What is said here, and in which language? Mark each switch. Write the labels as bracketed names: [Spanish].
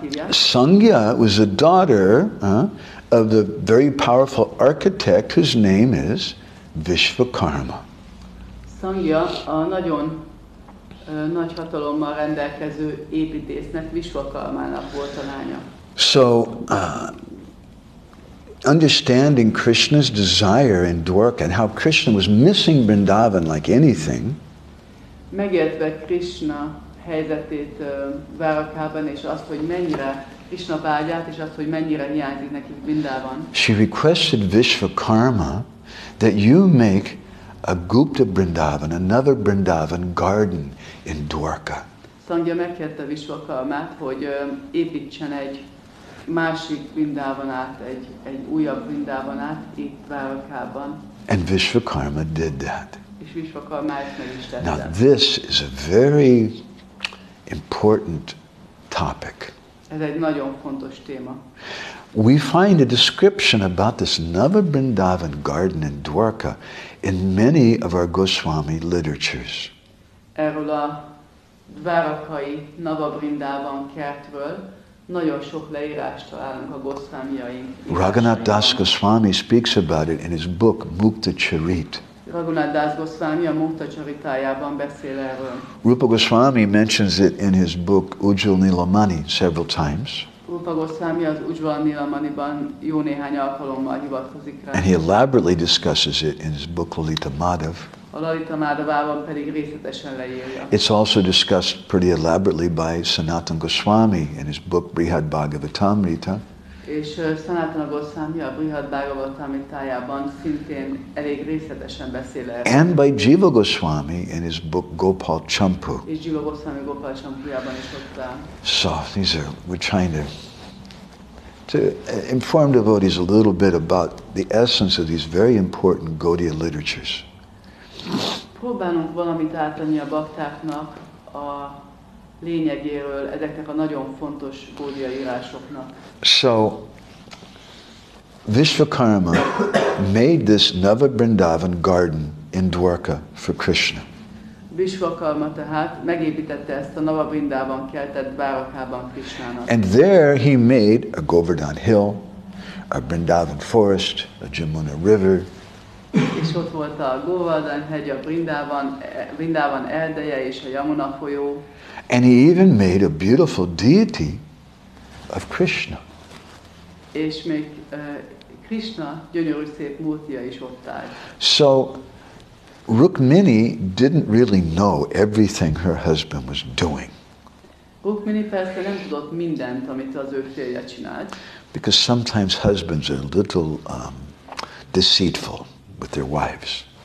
[English] Sangya was the daughter of the very powerful architect whose name is Vishvakarma. [Hungarian] Sangya a nagyon nagy hatalommal rendelkező építésznek Vishvakarmának volt a lánya. [English] So, understanding Krishna's desire in Dwarka and how Krishna was missing Vrindavan like anything. [Hungarian] Megértve Krishna helyzetét Várakában és azt, hogy mennyire Krishna vágyát és azt, hogy mennyire hiányzik neki Vrindavan. [English] She requested Vishvakarma that you make a Gupta Vrindavan, another Vrindavan garden in Dwarka. [Hungarian] Sangya megkérte Vishvakarmát, hogy építsen egy másik Vrindavanát, egy újabb Vrindavanát itt Várakában. [English] And Vishvakarma did that. [Hungarian] És Vishvakarma ezt meg is tette. [English] Now this is a very important topic. [Hungarian] Ez egy nagyon fontos téma. [English] We find a description about this Nava Vrindavan garden in Dwarka in many of our Goswami literatures. [Hungarian] Erről a dvárakai Nava Vrindavan kertről nagyon sok leírást találunk a Goswamiaink. [English] Raghunath Das Goswami speaks about it in his book Mukta Charit. [Hungarian] Raghunath Das Goswami a Mukta Charitájában beszél erről. [English] Rupa Goswami mentions it in his book Ujjal Nilamani several times. [Hungarian] Rupa Goswami az Ujjal Nilamaniban jó néhány alkalommal hivatkozik rá. [English] And he elaborately discusses it in his book Lalita Madhav. [Hungarian] A Lalita Madhavában pedig részletesen leírja. [English] It's also discussed pretty elaborately by Sanatana Goswami in his book Brihad Bhagavatamrita. [Hungarian] És Sanatana Goswami a Brihad Bhagavatamritájában szintén elég részletesen beszél erről. [English] And by Jiva Goswami in his book Gopal Champu. [Hungarian] És Jiva Goswami Gopal Champujában is ott áll. [English] So, we're trying to inform devotees a little bit about the essence of these very important Gaudiya literatures. [Hungarian] Próbálunk valamit átadni a baktáknak a lényegéről ezeknek a nagyon fontos Gaudiya írásoknak. [English] So, Vishvakarma made this Nava Vrindavan garden in Dwarka for Krishna. [Hungarian] Vishvakarma tehát megépítette ezt a Nava Vrindavan kertet Dwarkában Krishnának. [English] And there he made a Govardhan hill, a Vrindavan forest, a Jamuna river. [Hungarian] És ott volt a Govardhan hegy, a Vrindavan erdeje és a Yamuna folyó. [English] And he even made a beautiful deity of Krishna. [Hungarian] És még Krishna gyönyörű szép múltja is ott áll. [English] So, Rukmini didn't really know everything her husband was doing. [Hungarian] Rukmini persze nem tudott mindent, amit az ő férje csinált. [English] Because sometimes husbands are a little deceitful with their wives.